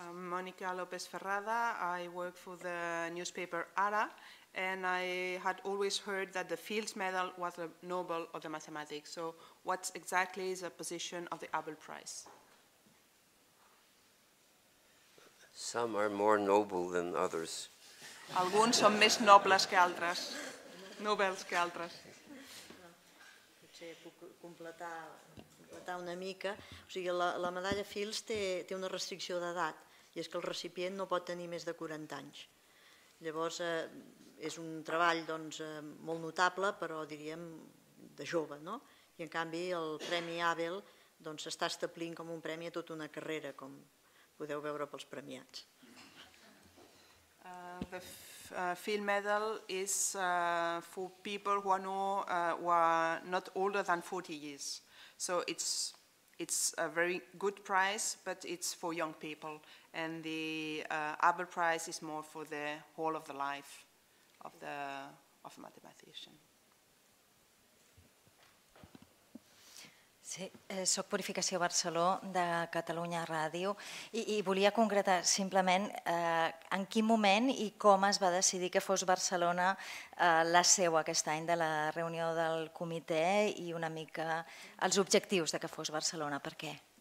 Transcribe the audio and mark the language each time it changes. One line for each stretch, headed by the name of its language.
English: Mònica López Ferrada, I work for the newspaper Ara, and I had always heard that the Fields Medal was the Nobel of the Mathematics. So what exactly is the position of the Abel Prize? Some are more noble than others.
Catalan: Alguns són més nobles que altres, nobles que altres. Potser puc completar una mica. O sigui, la medalla Fields té una restricció d'edat, i és que el recipient no pot tenir més de 40 anys. Llavors, és un treball doncs, molt notable, però diríem de jove, no? I en canvi, el Premi Abel doncs, s'està establint com un premi a tota una carrera, com podeu veure pels premiats.
English: The Field Medal is for people who are not older than 40 years. So it's a very good prize, but it's for young people. And the Abel Prize is more for the whole of the life of a mathematician.
Catalan: Sí, soc Purificació Barceló de Catalunya Ràdio i volia concretar simplement en quin moment i com es va decidir que fos Barcelona la seu aquest any de la reunió del comitè i una mica els objectius de que fos Barcelona, per què?